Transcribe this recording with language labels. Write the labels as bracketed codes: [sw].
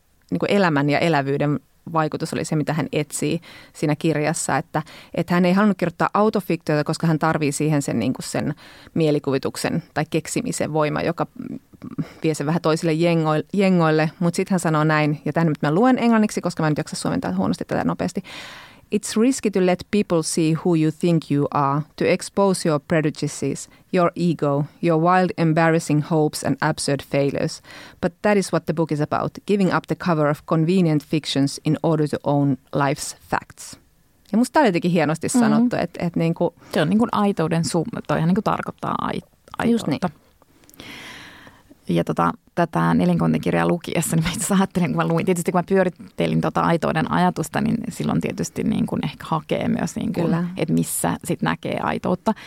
[fi] niin kuin elämän ja elävyyden vaikutus oli se, mitä hän etsii siinä kirjassa, että hän ei halunnut kirjoittaa autofiktiota, koska hän tarvii siihen sen, niin kuin sen mielikuvituksen tai keksimisen voima, joka vie sen vähän toisille jengoille, mutta sitten hän sanoo näin, ja tämän nyt mä luen englanniksi, koska mä en jaksa suomentaa huonosti tätä nopeasti. [en] It's risky to let people see who you think you are, to expose your prejudices, your ego, your wild embarrassing hopes and absurd failures. But that is what the book is about, giving up the cover of convenient fictions in order to own life's facts. [fi] Ja musta tämä oli jotenkin hienosti sanottu, että niinku... Se on niinku aitouden summa, toihan niinku tarkoittaa aitoutta. Just niin. Ja tätä nelinkointikirjaa lukiessa, niin mä itse asiassa ajattelin, kun mä luin, tietysti kun mä pyörittelin aitouden ajatusta, niin silloin tietysti niin kun ehkä hakee myös, niin kun, että missä sit näkee aitoutta.